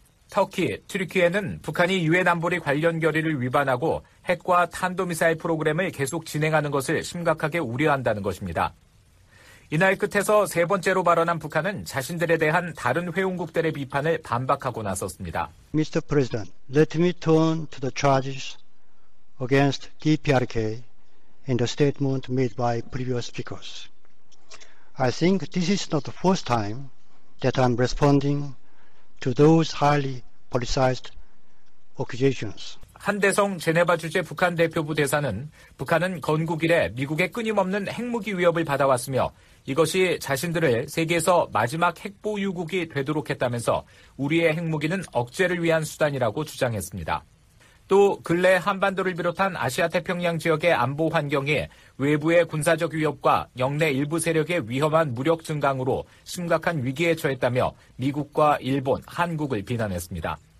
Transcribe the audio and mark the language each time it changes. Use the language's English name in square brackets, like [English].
[Korean] 터키, 튀르키예는 북한이 유엔 안보리 관련 결의를 위반하고 핵과 탄도미사일 프로그램을 계속 진행하는 것을 심각하게 우려한다는 것입니다. 이날 끝에서 세 번째로 발언한 북한은 자신들에 대한 다른 회원국들의 비판을 반박하고 나섰습니다. [English] Mr. President, let me turn to the charges against DPRK in the statement made by previous speakers. I think this is not the first time that I'm responding to those highly politicized accusations. [Korean] 한대성 제네바 주재 북한 대표부 대사는 북한은 건국 이래 미국의 끊임없는 핵무기 위협을 받아왔으며 이것이 자신들을 세계에서 마지막 핵보유국이 되도록 했다면서 우리의 핵무기는 억제를 위한 수단이라고 주장했습니다. 또 근래 한반도를 비롯한 아시아 태평양 지역의 안보 환경이 외부의 군사적 위협과 영내 일부 세력의 위험한 무력 증강으로 심각한 위기에 처했다며 미국과 일본, 한국을 비난했습니다.